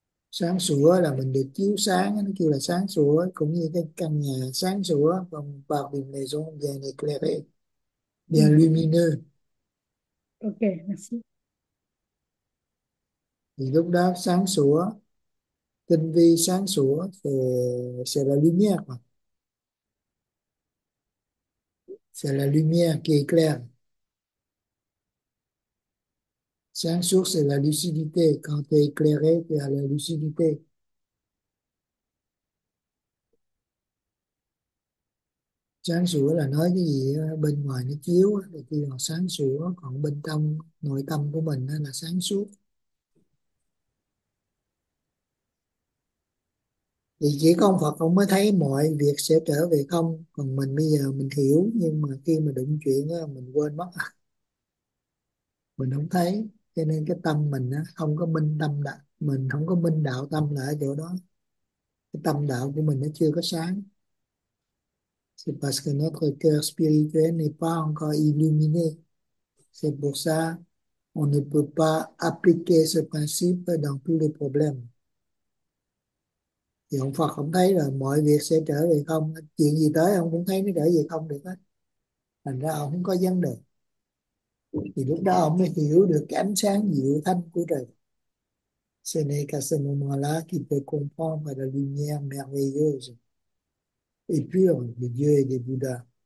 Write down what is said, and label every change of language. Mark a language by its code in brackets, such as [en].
[vi] Sáng sủa là mình được chiếu sáng, nó kêu là sáng sủa, cũng như cái căn nhà sáng sủa, còn vào bình [fr] maison bien éclairée, bien lumineux, Ok, merci. [vi] thì lúc đó sáng sủa, tinh vi sáng sủa thì sẽ là lumière mà. [fr] C'est la lumière qui éclaire. Sáng suốt, c'est la lucidité. Quand tu es éclairé, tu as la lucidité. [vi] Sáng sủa là nói cái gì bên ngoài nó chiếu thì kêu là sáng sủa, còn bên trong nội tâm của mình là sáng suốt. Thì chỉ có ông Phật ông mới thấy mọi việc sẽ trở về không, còn mình bây giờ mình hiểu, nhưng mà khi mà đụng chuyện đó, mình quên mất, mình không thấy. Cho nên cái tâm mình nó không có minh tâm đạo, mình không có minh đạo tâm là ở chỗ đó. Cái tâm đạo của mình nó chưa có sáng. [fr] C'est parce que notre cœur spirituel n'est pas encore illuminé. C'est pour ça qu'on ne peut pas appliquer ce principe dans tous les problèmes. [vi] Thì ông Phật không thấy là mọi việc sẽ trở về không. Chuyện gì tới ông cũng thấy nó trở về không được hết. Thành ra ông không có vấn đề. Thì lúc đó ông mới hiểu được cái ánh sáng diệu thanh của trời. [fr] Ce n'est qu'à ce moment-là qu'il peut comprendre la lumière merveilleuse et pure de Dieu et de Bouddha.